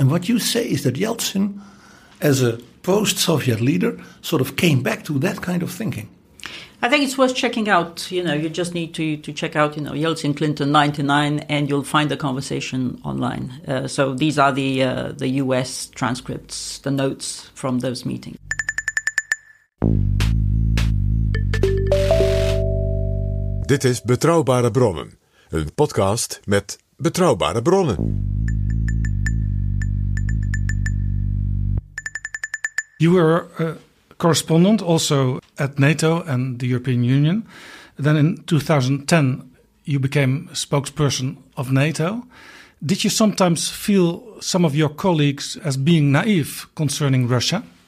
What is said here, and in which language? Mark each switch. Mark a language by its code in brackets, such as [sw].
[en] And what you say is that Yeltsin, as a post-Soviet leader, sort of came back to that kind of thinking. I think it's worth checking out, you know, you just need to check out, you know, Yeltsin Clinton 99 and you'll find the conversation online. So these are the US transcripts, the notes from those meetings. [nl] Dit is Betrouwbare Bronnen, een podcast met betrouwbare bronnen. [en] You were correspondent also at NATO and the European Union. Then in 2010, you became spokesperson of NATO. Did you sometimes feel some of your colleagues as being naive concerning Russia?